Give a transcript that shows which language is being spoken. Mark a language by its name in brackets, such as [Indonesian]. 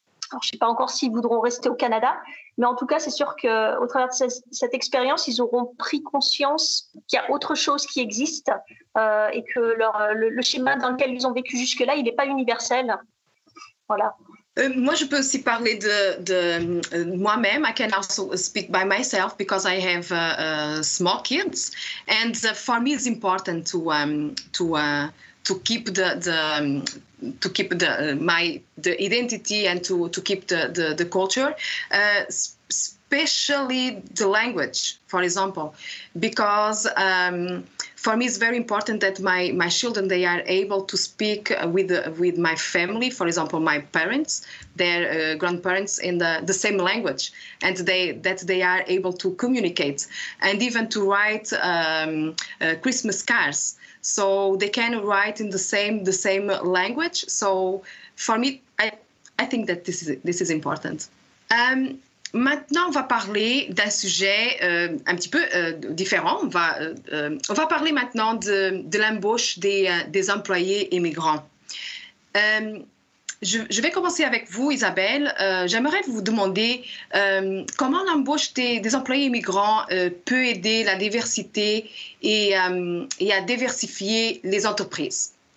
[French] Alors, je ne sais pas encore s'ils voudront rester au Canada, mais en tout cas, c'est sûr qu'au travers de cette expérience, ils auront pris conscience qu'il y a autre chose qui existe et que le schéma dans lequel ils ont vécu jusque-là, il n'est pas universel. Voilà. Moi, je peux aussi parler de moi-même. [English] I can also speak by myself because I have small kids. And for me, it's important to keep the identity and to keep the culture, especially the language, for example, because for me it's very important that my children, they are able to speak with my family, for example, my parents, their grandparents, in the same language, and that they are able to communicate and even to write Christmas cards. So they can write in the same language. So for me, I think that this is important. [French] Maintenant, on va parler d'un sujet un petit peu différent. On va parler maintenant de l'embauche des employés immigrants. Je vais commencer avec vous, Isabelle. J'aimerais vous demander comment l'embauche des employés immigrants peut aider la diversité et à diversifier les entreprises.